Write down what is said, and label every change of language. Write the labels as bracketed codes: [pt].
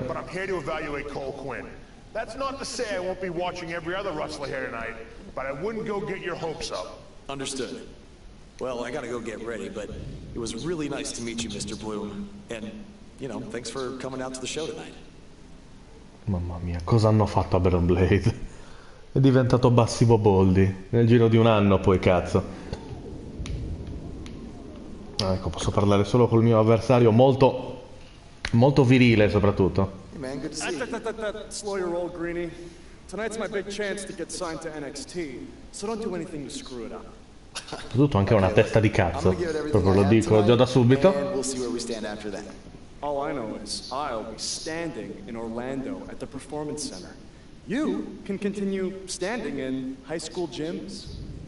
[en] But I'm here to evaluate Cole Quinn. That's not to say I won't be watching every other wrestler here tonight, but I wouldn't go get your hopes up. Understood. Well, I gotta go get ready, but it was really nice to meet you, Mr. Bloom. And, you know, thanks for coming out to the show tonight. [it] Mamma mia, cosa hanno fatto a Baron Blade? È diventato Massimo Boldi nel giro di un anno, poi cazzo. Ecco, posso parlare solo col mio avversario, molto molto virile soprattutto. [en] Hey man, good to see you. Slow your roll, Greeny. Tonight's my big chance to get signed to NXT, so don't do anything to screw it up. [it] Soprattutto anche una testa di cazzo, proprio lo dico già da subito. [en] All I know is I'll be standing in Orlando at the Performance Center. You can continue standing in high school gyms.